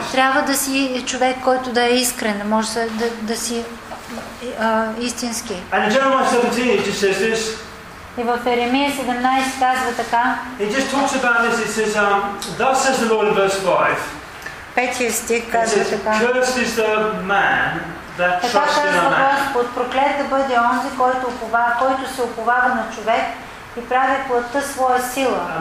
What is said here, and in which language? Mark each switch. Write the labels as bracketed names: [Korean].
[Bulgarian] трябва да си човек, който да е искрен, може да си истински. [English] And in Jeremiah 17 it just says this. [Bulgarian] И в Еремия 17 казва така. [English] It just talks about this. It says, "Thus says the Lord in verse 5." [Bulgarian] Петия стих казва така. [English] Cursed is the man. [Bulgarian] Така казва Господ, проклет да бъде онзи, който се уповава на човек и прави плътта своя сила.